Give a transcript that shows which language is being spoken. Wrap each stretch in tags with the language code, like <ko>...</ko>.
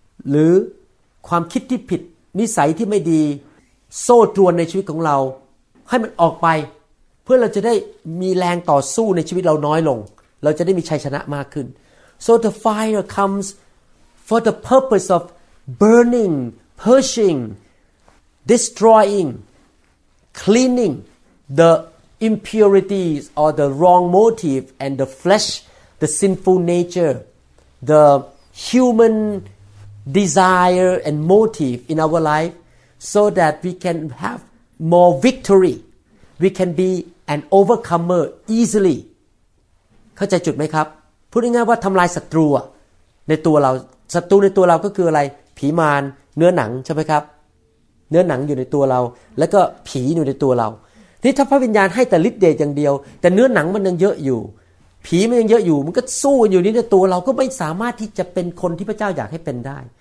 <th>หรือความคิดที่ผิดนิสัยที่ไม่ดีโซ่ตรวนในชีวิตของเราให้มันออกไปเพื่อเราจะได้มีแรงต่อสู้ในชีวิตเราน้อยลงเราจะได้มีชัยชนะมากขึ้น</th> <en>So the fire comes for the purpose of burning, purging, destroying, cleaning the impurities or the wrong motive and the flesh, the sinful nature, the human desire and motive in our life so that we can have more victory. We can be an overcomer easily.</en> <th>เข้าใจจุดไหมครับพูดง่ายๆว่าทำลายศัตรูในตัวเราศัตรูในตัวเราก็คืออะไรผีมารเนื้อหนังใช่ไหมครับเนื้อหนังอยู่ในตัวเราแล้วก็ผีอยู่ในตัวเราที่ถ้าพระวิญญาณให้แต่ฤทธิ์เดชอย่างเดียวแต่เนื้อหนังมันยังเยอะอยู่ผีมันยังเยอะอยู่มันก็สู้กันอยู่นี่ในตัวเราก็ไม่สามารถที่จะเป็นคนที่พระเจ้าอยากให้เป็นได้</th>